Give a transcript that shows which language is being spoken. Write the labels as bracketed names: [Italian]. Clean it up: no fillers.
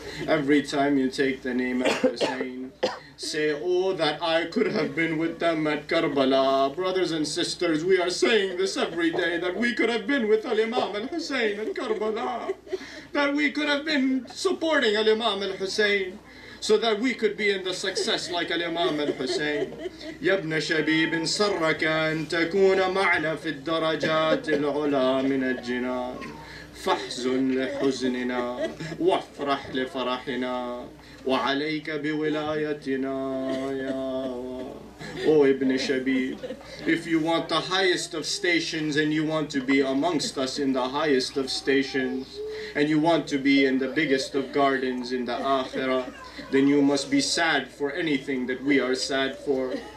[English] Every time you take the name Al-Hussein, say, oh, that I could have been with them at Karbala. Brothers and sisters, we are saying this every day, that we could have been with Al-Imam Al-Hussein at Karbala. That we could have been supporting Al-Imam Al-Hussein, so that we could be in the success like Al-Imam Al-Hussein. [Arabic] يبن شبيب سرك أن تكون معنا في الدرجات العلا من الجنان. فحزن لحزننا وافرح لفرحنا وعليك بولايتنا يا [English] O Ibn Shabib, if you want the highest of stations and you want to be amongst us in the highest of stations and you want to be in the biggest of gardens in the Akhirah, then you must be sad for anything that we are sad for.